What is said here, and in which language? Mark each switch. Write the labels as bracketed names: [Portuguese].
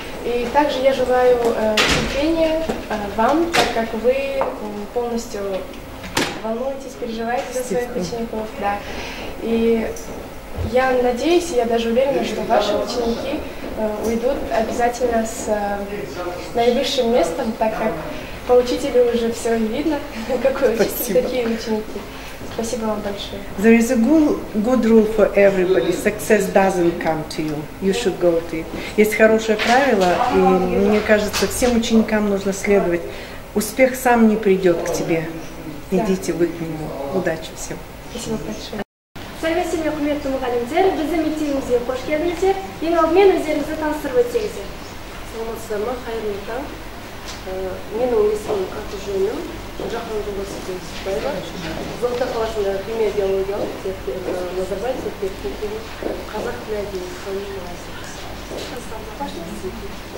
[Russian] И также я желаю терпения вам, так как вы полностью волнуетесь, переживаете за своих учеников. Да. И я надеюсь, я даже уверена, что ваши ученики уйдут обязательно с наивысшим местом, так как по учителю уже все видно, какой учитель, такие ученики. Спасибо вам большое. [English] There is a good rule for everybody. Success doesn't come to you. You should go to it. [Russian] Есть хорошее правило, и мне кажется, всем ученикам нужно следовать. Успех сам не придет к тебе. Идите вы к нему. Удачи всем. Спасибо большое. [Kazakh] Сәлеметсіз бе, құрметті мұғалімдер, біздің мектебімізге қош келдіңіздер. Ең алдымен өздеріңізді таныстырып өтсеңіздер. Саламатсыздар ма, қайырлы таң. Менің есімім Қатыс Жөнім, Жақан Жолдасов Жүсіпбаева. Қызылорда қаласындағы химия биологиялық Назарбаев зерттеу қазақ тілі әдебиеті ғылымының